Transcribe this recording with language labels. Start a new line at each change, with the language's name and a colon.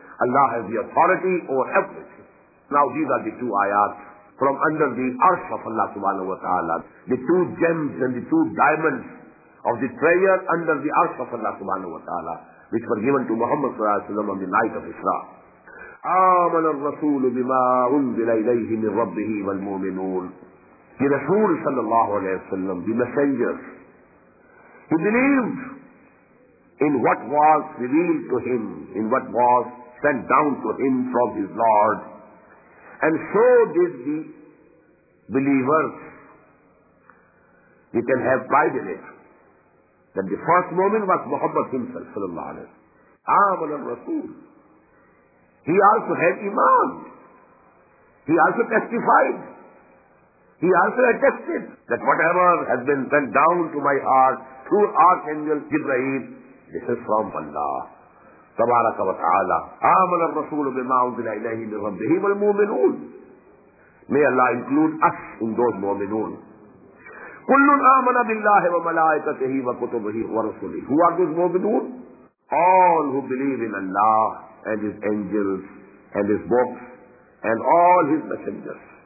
English: Allah has the authority over everything. Now these are the two ayat from under the arsh of Allah subhanahu wa ta'ala. The two gems and the two diamonds of the prayer under the arsh of Allah subhanahu wa ta'ala, which were given to Muhammad صلى الله عليه وسلم on the night of Isra.
Arabic: آمن الرسول بما أنزل إليه من ربه والمؤمنون.
English: The Rasul صلى الله عليه وسلم, the messenger, he believed in what was revealed to him, in what was sent down to him from his Lord. And so did the believers. You can have pride in it. That the first moment was Muhammad himself, sallallahu alayhi wa sallam. Aman al-Rasul. He also had iman. He also testified. He also attested that whatever has been sent down to my heart through Archangel Jibreel, this is from Allah.
Arabic: تبارك وتعالى. آمن الرسول بما أنزل إليه من ربه والمؤمنون.
English: May Allah include us in those مؤمنون.
Arabic: كل آمن بالله وملائكته وكتبه ورسله.
English: Who are those مؤمنون? All who believe in Allah and His angels and His books and all His messengers.